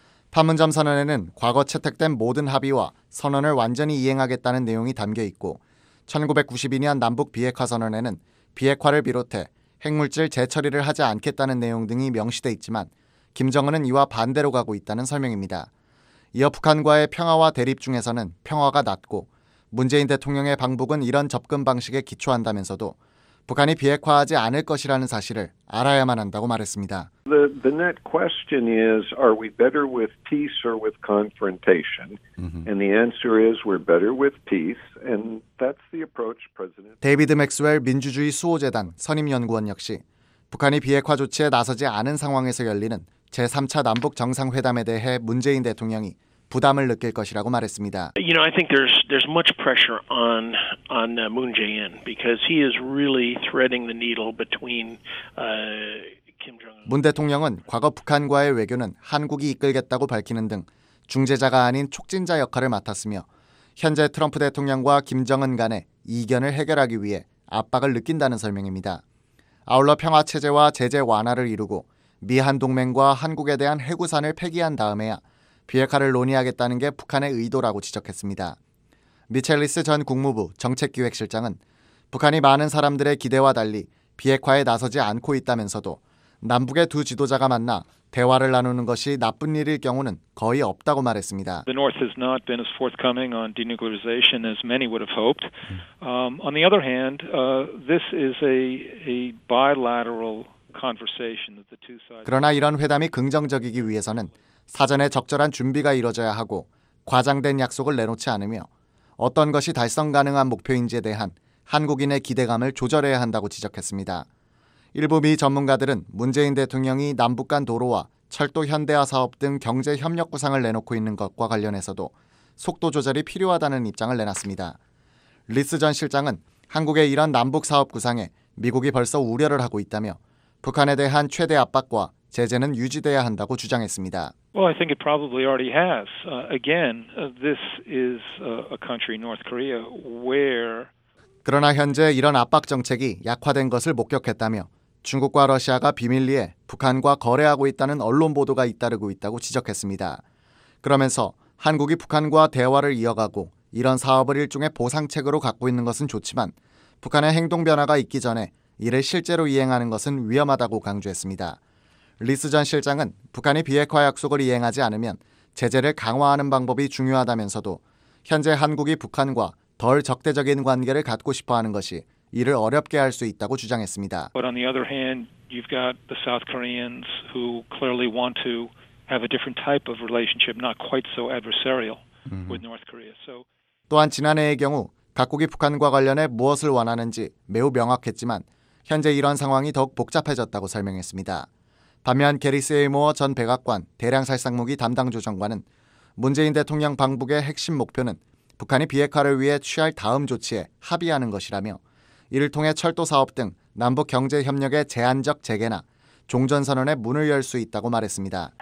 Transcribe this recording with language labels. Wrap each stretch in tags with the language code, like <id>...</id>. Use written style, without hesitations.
<ko>판문점 선언에는 과거 채택된 모든 합의와 선언을 완전히 이행하겠다는 내용이 담겨 있고 1992년 남북 비핵화 선언에는 비핵화를 비롯해 핵물질 재처리를 하지 않겠다는 내용 등이 명시돼 있지만 김정은은 이와 반대로 가고 있다는 설명입니다. 이어 북한과의 평화와 대립 중에서는 평화가 낫고 문재인 대통령의 방북은 이런 접근 방식에 기초한다면서도 북한이 비핵화하지 않을 것이라는 사실을 알아야만 한다고 말했습니다.</ko> <en>The net question is, are we better with peace or with confrontation? And the answer is, we're better with peace, and that's the approach President.</en> <ko>데이비드 맥스웰 민주주의 수호재단 선임 연구원 역시 북한이 비핵화 조치에 나서지 않은 상황에서 열리는 제3차 남북 정상회담에 대해 문재인 대통령이 부담을 느낄 것이라고 말했습니다.</ko> <en>You know, I think there's much pressure on Moon Jae-in because he is really threading the needle between Kim Jong-un.</en> <ko>문 대통령은 과거 북한과의 외교는 한국이 이끌겠다고 밝히는 등 중재자가 아닌 촉진자 역할을 맡았으며 현재 트럼프 대통령과 김정은 간의 이견을 해결하기 위해 압박을 느낀다는 설명입니다. 아울러 평화 체제와 제재 완화를 이루고 미한 동맹과 한국에 대한 해구산을 폐기한 다음에야 비핵화를 논의하겠다는 게 북한의 의도라고 지적했습니다. 미첼리스 전 국무부 정책기획실장은 북한이 많은 사람들의 기대와 달리 비핵화에 나서지 않고 있다면서도 남북의 두 지도자가 만나 대화를 나누는 것이 나쁜 일일 경우는 거의 없다고 말했습니다.</ko> <en>The North has not been as forthcoming on denuclearization as many would have hoped. On the other hand, this is a bilateral conversation that the two sides.</en> <ko>그러나 이런 회담이 긍정적이기 위해서는 사전에 적절한 준비가 이뤄져야 하고 과장된 약속을 내놓지 않으며 어떤 것이 달성 가능한 목표인지에 대한 한국인의 기대감을 조절해야 한다고 지적했습니다. 일부 미 전문가들은 문재인 대통령이 남북 간 도로와 철도 현대화 사업 등 경제 협력 구상을 내놓고 있는 것과 관련해서도 속도 조절이 필요하다는 입장을 내놨습니다. 리스 전 실장은 한국의 이런 남북 사업 구상에 미국이 벌써 우려를 하고 있다며 북한에 대한 최대 압박과 제재는 유지돼야 한다고 주장했습니다.</ko> <en>Well, I think it probably already has. Again, this is a country, North Korea, where.</en> <ko>그러나 현재 이런 압박 정책이 약화된 것을 목격했다며 중국과 러시아가 비밀리에 북한과 거래하고 있다는 언론 보도가 잇따르고 있다고 지적했습니다. 그러면서 한국이 북한과 대화를 이어가고 이런 사업을 일종의 보상책으로 갖고 있는 것은 좋지만 북한의 행동 변화가 있기 전에 이를 실제로 이행하는 것은 위험하다고 강조했습니다. 리스 전 실장은 북한이 비핵화 약속을 이행하지 않으면 제재를 강화하는 방법이 중요하다면서도 현재 한국이 북한과 덜 적대적인 관계를 갖고 싶어하는 것이 이를 어렵게 할 수 있다고 주장했습니다.</ko> <en>But on the other hand, you've got the South Koreans who clearly want to have a different type of relationship, not quite so adversarial with North Korea. So</en> <ko>또한 지난해의 경우 각국이 북한과 관련해 무엇을 원하는지 매우 명확했지만 현재 이런 상황이 더욱 복잡해졌다고 설명했습니다. 반면 게리 세이모어 전 백악관 대량살상무기 담당 조정관은 문재인 대통령 방북의 핵심 목표는 북한이 비핵화를 위해 취할 다음 조치에 합의하는 것이라며 이를 통해 철도 사업 등 남북 경제 협력의 제한적 재개나 종전 선언의 문을 열 수 있다고 말했습니다.</ko>